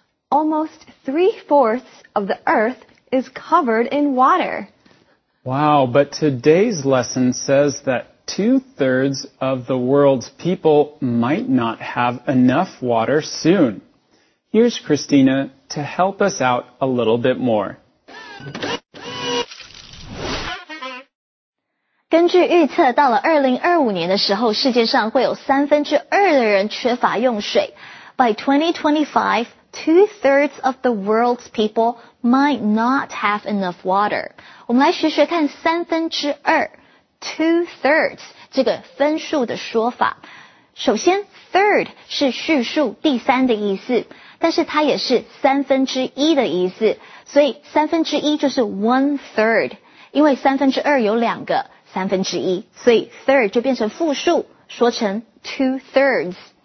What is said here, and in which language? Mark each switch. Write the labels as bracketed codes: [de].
[en] Almost 3/4 of the Earth... is covered in water. Wow, but today's lesson says that 2/3 of the world's people might not have enough water soon. Here's Christina to help us out a little bit more. [zh] 根据预测，到了2025年的时候，世界上会有三分之二的人缺乏用水。 [en] By 2025, two-thirds of the world's people might not have enough water. [zh] 我们来学学看三分之二 ,two-thirds, 这个分数的说法。首先 ,third 是序数第三的意思。但是它也是三分之一的意思，所以三分之一就是 one third， 因为三分之二有两个三分之一，所以 third 就变成复数，说成 two thirds。